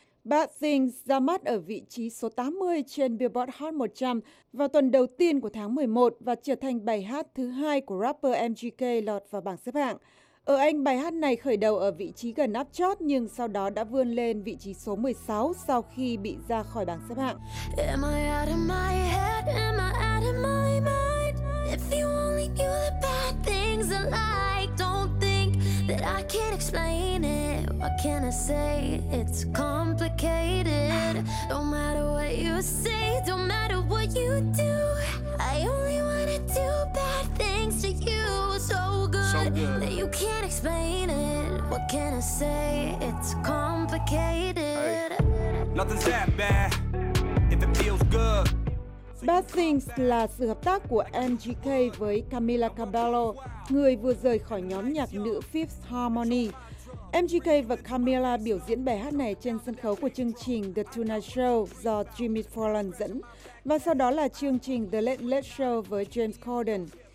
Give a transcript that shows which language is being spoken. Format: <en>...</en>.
<vi>Bad Things ra mắt ở vị trí số 80 trên Billboard Hot 100 vào tuần đầu tiên của tháng 11 và trở thành bài hát thứ 2 của rapper MGK lọt vào bảng xếp hạng. Ở Anh, bài hát này khởi đầu ở vị trí gần áp chót nhưng sau đó đã vươn lên vị trí số 16 sau khi bị ra khỏi bảng xếp hạng.</vi> <en>Am I out of my head? Am I out of my mind? If you only knew the bad things I like, don't think that I can't explain it. What can I say? It's complicated. Don't matter what you say, don't matter what you do. I only wanna do bad things to you. So good. You can't explain it. What can I say? It's complicated. Hey. Nothing's that bad if it feels good.</en> <vi>Bad Things là sự hợp tác của MGK với Camila Cabello, người vừa rời khỏi nhóm nhạc nữ Fifth Harmony. MGK và Camila biểu diễn bài hát này trên sân khấu của chương trình The Tonight Show do Jimmy Fallon dẫn, và sau đó là chương trình The Late Late Show với James Corden.</vi>